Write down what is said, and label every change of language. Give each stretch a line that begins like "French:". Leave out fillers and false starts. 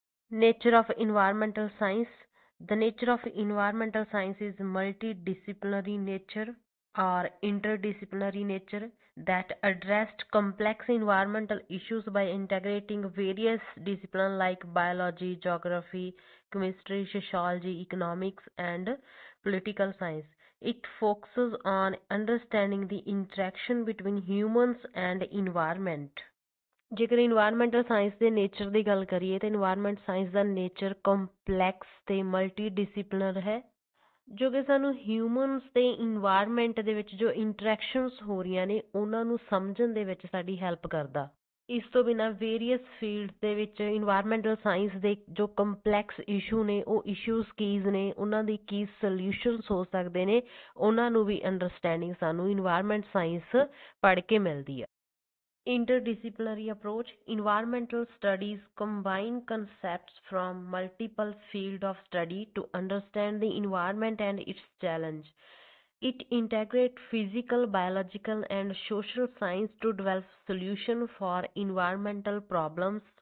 English: Nature of environmental science. The nature of environmental science is multidisciplinary nature or interdisciplinary nature that addressed complex environmental issues by integrating various disciplines like biology, geography, chemistry, sociology, economics, and political science. It focuses on understanding the interaction between humans and environment.
Punjabi: ਜੇਕਰ environmental science ਦੇ nature ਦੀ ਗੱਲ ਕਰੀਏ ਤਾਂ environment science ਦਾ nature complex ਤੇ ਮਲਟੀਡਿਸਿਪਲਿਨਰ ਹੈ ਜੋ ਕਿ ਸਾਨੂੰ ਹਿਊਮਨਸ ਤੇ ਇਨਵਾਇਰਮੈਂਟ ਦੇ ਵਿੱਚ ਜੋ ਇੰਟਰੈਕਸ਼ਨਸ ਹੋ ਰਹੀਆਂ ਨੇ ਉਹਨਾਂ ਨੂੰ ਸਮਝਣ ਦੇ ਵਿੱਚ ਸਾਡੀ ਹੈਲਪ ਕਰਦਾ ਇਸ ਤੋਂ ਬਿਨਾਂ ਵੇਰੀਅਸ ਫੀਲਡਸ ਦੇ ਵਿੱਚ ਇਨਵਾਇਰਮੈਂਟਲ ਸਾਇੰਸ ਦੇ ਜੋ ਕੰਪਲੈਕਸ ਇਸ਼ੂ ਨੇ ਉਹ ਇਸ਼ੂਸ ਕੀਜ਼ ਨੇ ਉਹਨਾਂ ਦੇ ਕੀ ਸੋਲਿਊਸ਼ਨਸ ਹੋ ਸਕਦੇ ਨੇ ਉਹਨਾਂ ਨੂੰ ਵੀ ਅੰਡਰਸਟੈਂਡਿੰਗ ਸਾਨੂੰ ਇਨਵਾਇਰਮੈਂਟ ਸਾਇੰਸ ਪੜ੍ਹ ਕੇ ਮਿਲਦੀ ਹੈ Interdisciplinary approach.
English: Environmental studies combine concepts from multiple fields of study to understand the environment and its challenge. It integrates physical, biological, and social science to develop solutions for environmental problems.